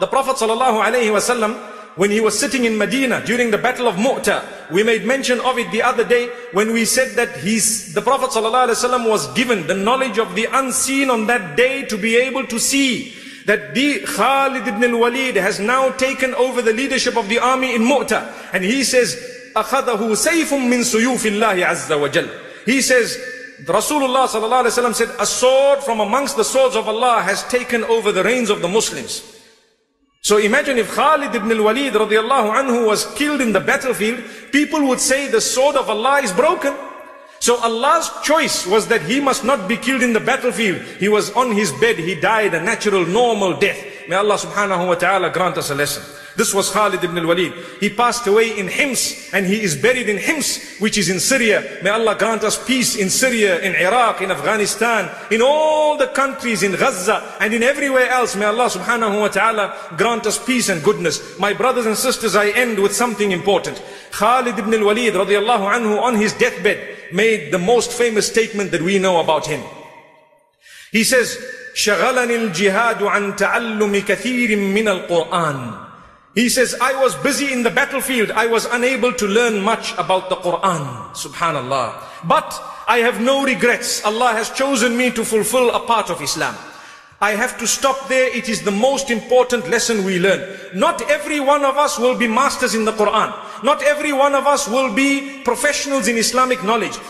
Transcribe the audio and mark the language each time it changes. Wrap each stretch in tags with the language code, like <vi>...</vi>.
<en>The Prophet sallallahu alayhi wasallam, when he was sitting in Medina during the battle of Mu'tah, we made mention of it the other day when we said that the Prophet sallallahu alayhi wasallam was given the knowledge of the unseen on that day to be able to see that the Khalid ibn al-Walid has now taken over the leadership of the army in Mu'tah. And he says,</en> <ar>أَخَذَهُ سَيْفٌ مِّن سُيُوفِ اللَّهِ عَزَّ وَجَلَّ.</ar> <en>He says, Rasulullah sallallahu alayhi wasallam said, a sword from amongst the swords of Allah has taken over the reins of the Muslims. So imagine if Khalid ibn al-Walid radiallahu anhu was killed in the battlefield, people would say the sword of Allah is broken. So Allah's choice was that he must not be killed in the battlefield. He was on his bed, he died a natural, normal death. May Allah subhanahu wa ta'ala grant us a lesson. This was Khalid ibn al-Walid. He passed away in Hims, and he is buried in Hims, which is in Syria. May Allah grant us peace in Syria, in Iraq, in Afghanistan, in all the countries, in Gaza, and in everywhere else. May Allah subhanahu wa ta'ala grant us peace and goodness. My brothers and sisters, I end with something important. Khalid ibn al-Walid radiallahu anhu, on his deathbed, made the most famous statement that we know about him. He says,</en> <ar>شغلني الجهاد عن تعلم كثير من القرآن.</ar> <en>He says, I was busy in the battlefield, I was unable to learn much about the Quran, subhanallah. But I have no regrets, Allah has chosen me to fulfill a part of Islam. I have to stop there, it is the most important lesson we learn. Not every one of us will be masters in the Quran. Not every one of us will be professionals in Islamic knowledge.</en>